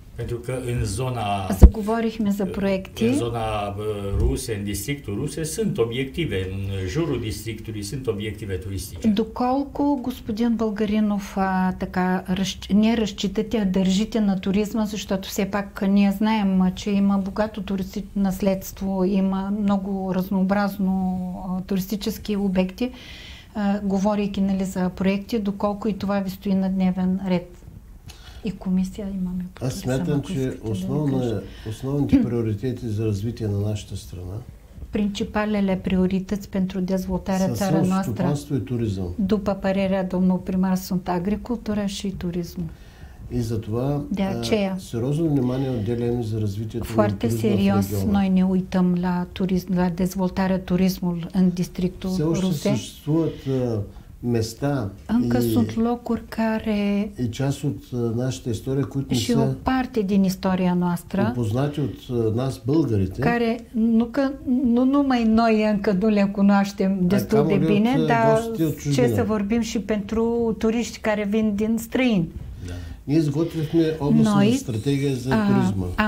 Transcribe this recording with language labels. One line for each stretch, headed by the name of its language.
Romanian: Pentru că în zona ruse, în districtul ruse, sunt obiective, în jurul districtului sunt obiective turistice.
Bulgarian: Доколко господин Българинов така не разчитате, а държите на туризма, защото все пак ние знаем, че има богато туристическо наследство, има много разнообразно туристически обекти, говорейки нали за проекти, доколко и това ви стои на дневен ред? И комисия имаме. Аз смятам, че основните приоритети за развитие на нашата страна
Romanian: принципалеле приоритет pentru dezvoltarea țara noastră.
Bulgarian: Селско и туризъм.
Romanian: După părerea domnul primar sunt agricultura și turism.
Bulgarian: И за това
Romanian: de aceea,
Bulgarian: сериозно внимание отделяем за развитието на туризма.
Romanian: Foarte serios, noi ne uităm la turism, la dezvoltarea turismului în districtul Rusei.
Bulgarian: Все още съществуват места
Romanian: încă и, sunt locuri care
Bulgarian: и част от нашата история, които
Romanian: și o parte din istoria noastră
Bulgarian: опознати от нас българите,
Romanian: care nu numai noi încă nu le cunoaștem destul de bine, ce să vorbim și pentru turiști care vin din străin.
Bulgarian: Ние изготвихме областна стратегия за туризма.